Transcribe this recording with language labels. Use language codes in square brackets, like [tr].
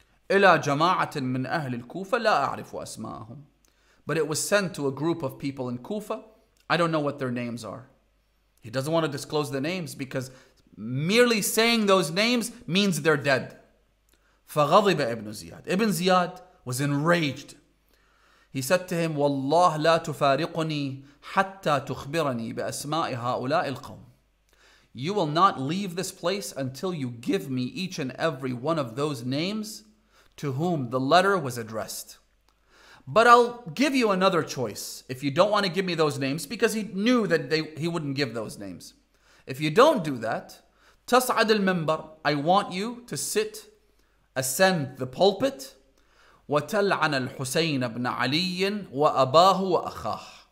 [ar] إِلَى جَمَاعَةٍ مِّنْ أَهْلِ الْكُوفَةِ لَا أَعْرِفُ أَسْمَاءَهُمْ. [en] But it was sent to a group of people in Kufa. I don't know what their names are. He doesn't want to disclose the names because merely saying those names means they're dead. [ar] فَغَضِبَ إِبْنُ زِيَادٍ. [en] Ibn Ziyad was enraged. He said to him, [ar] وَاللَّهُ لَا تُفَارِقُنِي حَتَّى تُخْبِرَنِي بِأَسْمَاءِ هَؤُلَاءِ الْقَوْمِ. [en] You will not leave this place until you give me each and every one of those names to whom the letter was addressed. But I'll give you another choice if you don't want to give me those names, because he knew that he wouldn't give those names. If you don't do that, [ar] تَصْعَدِ الْمِنْبَرِ, [en] I want you to sit, ascend the pulpit, [ar] وَتَلْعَنَ الْحُسَيْنَ بْنَ عَلِيٍّ وَأَبَاهُ وَأَخَاهُ.